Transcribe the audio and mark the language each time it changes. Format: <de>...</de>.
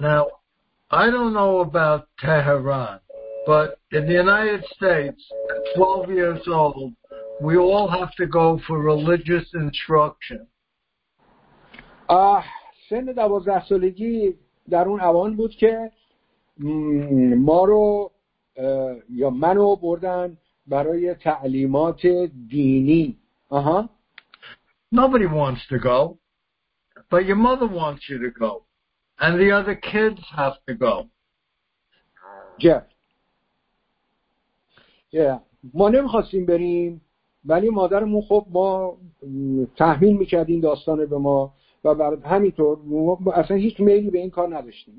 <en>Now, I don't know about Tehran, but in the United States, at 12 years old, we all have to go for religious instruction.</en> <fa>سن 12 سالگی در اون اوان بود که ما رو یا منو بردن برای تعلیمات دینی.</fa> <en>Nobody wants to go, but your mother wants you to go, and the other kids have to go. Jeff. Yeah.</en> <fa>ما نمیخواستیم بریم ولی مادرمون خب ما تحمیل میکردیم داستانه به ما و برای همینطور اصلا هیچ میلی به این کار نداشتیم.</fa>